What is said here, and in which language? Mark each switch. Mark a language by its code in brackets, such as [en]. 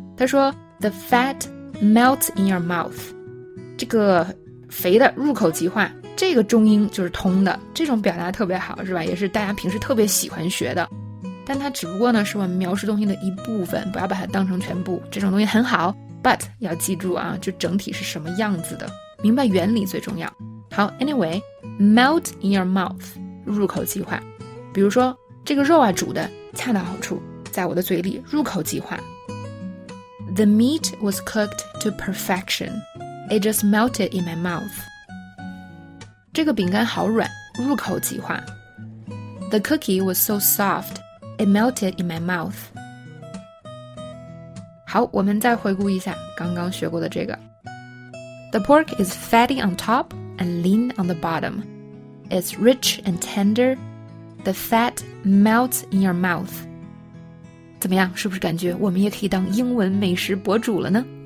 [zh] 他说 [en] The fat melts in your mouth， [zh] 这个肥的入口即化，这个中英就是通的，这种表达特别好，是吧？也是大家平时特别喜欢学的。但它只不过呢是我们描述东西的一部分，不要把它当成全部。这种东西很好， but 要记住啊，就整体是什么样子的，明白原理最重要。好 ，anyway， [en] melt in your mouth， [zh] 入口即化。比如说，这个肉啊煮的恰到好处，在我的嘴里入口即化。 [en] The meat was cooked to perfection. It just melted in my mouth. [zh] 这个饼干好软，入口即化。 [en] The cookie was so soft. It melted in my mouth. [zh] 好，我们再回顾一下刚刚学过的这个。 [en] The pork is fatty on top and lean on the bottom. It's rich and tender. The fat melts in your mouth. [zh] 怎么样，是不是感觉我们也可以当英文美食博主了呢？